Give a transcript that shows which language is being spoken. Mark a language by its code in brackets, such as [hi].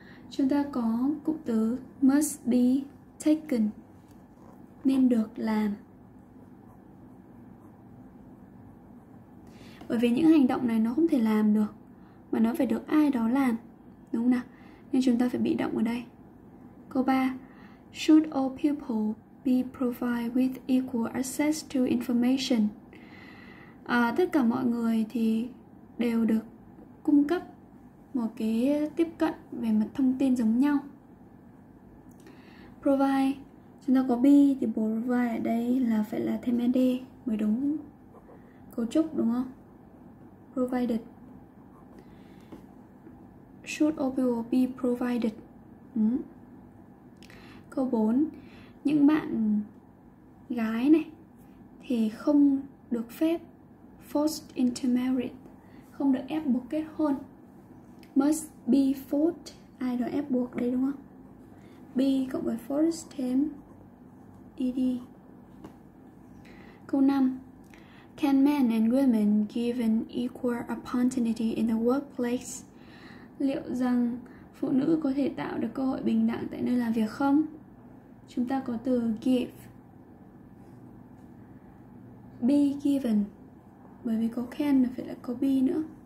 [vi] Chúng ta có cụm từ [en] must be taken, [vi] nên được làm. Bởi vì những hành động này nó không thể làm được, mà nó phải được ai đó làm, đúng không nào? Nên chúng ta phải bị động ở đây. Câu 3. [en] Should all people be provided with equal access to information? [vi] Tất cả mọi người thì đều được cung cấp một cái tiếp cận về mặt thông tin giống nhau. Provide, chúng ta có be thì provide ở đây là phải là thêm ed mới đúng cấu trúc, đúng không? Provided. [en] Should all people be provided? [vi] Câu 4. Những bạn gái này thì không được phép [en] forced into marriage, [vi] không được ép buộc kết hôn. [en] Must be forced, [vi] ai đó ép buộc đây, đúng không? Be cộng với forced thêm ed. Câu 5. [en] Can men and women give an equal opportunity in the workplace? [vi] Liệu rằng phụ nữ có thể tạo được cơ hội bình đẳng tại nơi làm việc không? Chúng ta có từ give. [en] Be given. [vi] Bởi vì có can là phải là có be nữa.